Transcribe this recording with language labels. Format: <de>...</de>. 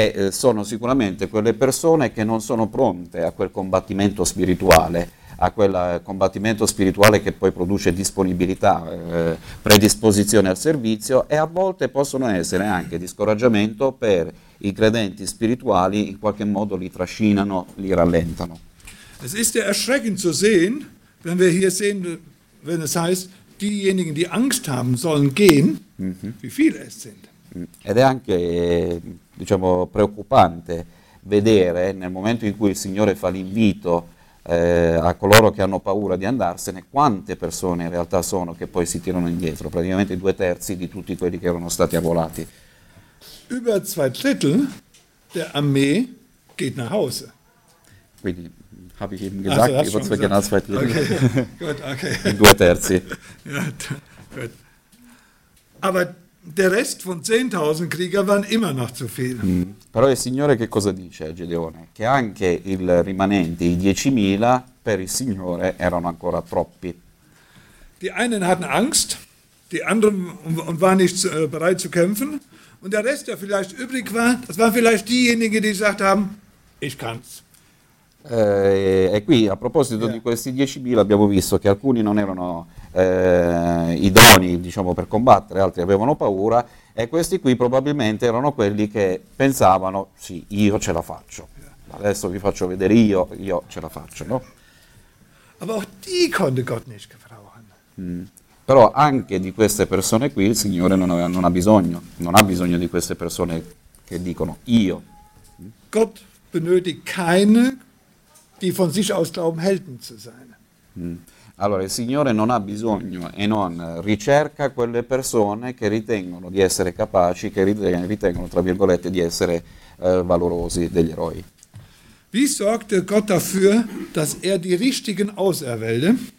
<it>Sono sicuramente quelle persone che non sono pronte a quel combattimento spirituale, a quel combattimento spirituale che poi produce disponibilità, predisposizione al servizio, e a volte possono essere anche di scoraggiamento per i credenti spirituali, in qualche modo li trascinano, li rallentano.</it> <de>Es ist ja erschreckend zu sehen, wenn wir hier sehen, wenn es heißt, diejenigen, die Angst haben, sollen gehen, wie viele es sind.</de> <it>Ed è anche, diciamo, preoccupante vedere nel momento in cui il Signore fa l'invito a coloro che hanno paura di andarsene, quante persone in realtà sono che poi si tirano indietro, praticamente 2/3 di tutti quelli che erano stati arruolati.</it> <de>Über 2/3 der Armee geht nach Hause.</de> <it>Quindi,</it> <de>habe ich eben gesagt, also, ich würde es vergessen, okay. Gut, okay. In 2/3. Ja, gut. Aber der Rest von 10.000 Krieger waren immer noch zu viel. Mm.</de> <it>Però il Signore che cosa dice a Gedeone? Che anche il rimanente, i 10.000, per il Signore erano ancora troppi.</it> <de>Die einen hatten Angst, die anderen waren nicht bereit zu kämpfen. Und der Rest, der vielleicht übrig war, das waren vielleicht diejenigen, die gesagt haben, ich kann's.</de> <it>E qui a proposito di questi 10.000 abbiamo visto che alcuni non erano idonei, diciamo, per combattere, altri avevano paura, e questi qui probabilmente erano quelli che pensavano, sì, io ce la faccio, adesso vi faccio vedere io ce la faccio, no?</it> <de>Aber auch die konnte Gott nicht gebrauchen.</de> <it>Però anche di queste persone qui il Signore non ha bisogno di queste persone che dicono io.</it> <de>Gott benötigt keine die von sich aus glauben Helden zu sein.</de> <it>Allora il Signore non ha bisogno e non ricerca quelle persone che ritengono di essere capaci, che ritengono tra virgolette di essere valorosi, degli eroi.</it> <de>Wie sorgte Gott dafür, dass die richtigen auserwählte?</de>